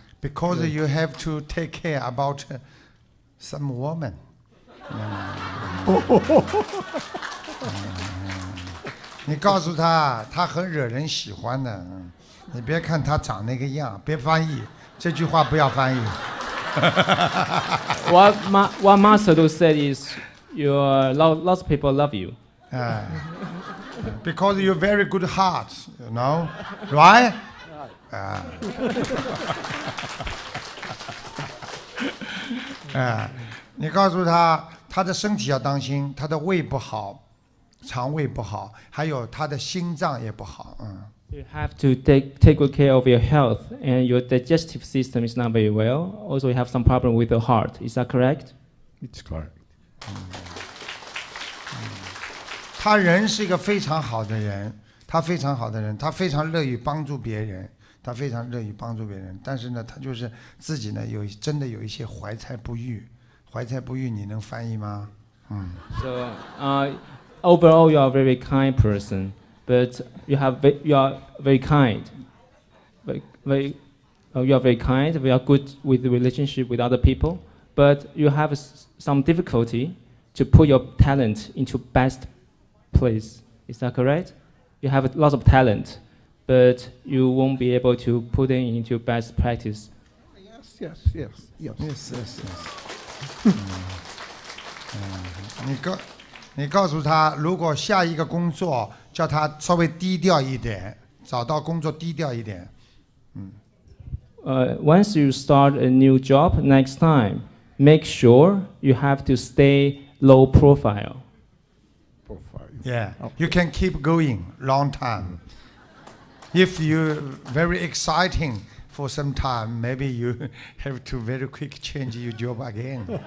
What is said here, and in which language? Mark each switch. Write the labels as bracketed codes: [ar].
[en] Because you have to take care about some woman. Yeah. [zh] 你告诉他，他很惹人喜欢的。你别看他长那个样，别翻译这句话，不要翻译。 [en] What master do said is your lots of people love you. Because you're very good heart, you know, right? [zh] 你告诉他，他的身体要当心，他的胃不好，肠胃不好，还有他的心脏也不好。 [en] You have to take good care of your health, and your digestive system is not very well. Also, you have some problem with your heart. Is that correct? It's correct. [zh] 他人是一个非常好的人，他非常好的人，他非常乐于帮助别人。他非常乐于帮助别人，但是呢，他就是自己呢有真的有一些怀才不遇，怀才不遇，你能翻译吗？ [en] So, overall, you are a very kind person, but you are very kind, you are good with relationship with other people, but you have some difficulty to put your talent into best place. Is that correct? You have lots of talent, but you won't be able to put it into best practice. Yes. [zh] 你告诉他，如果下一个工作叫他稍微低调一点，找到工作低调一点。 [en] Once you start a new job next time, make sure you have to stay low profile. Profile. Yeah. You can keep going long time. If you very exciting for some time, maybe you have to very quick change your job again.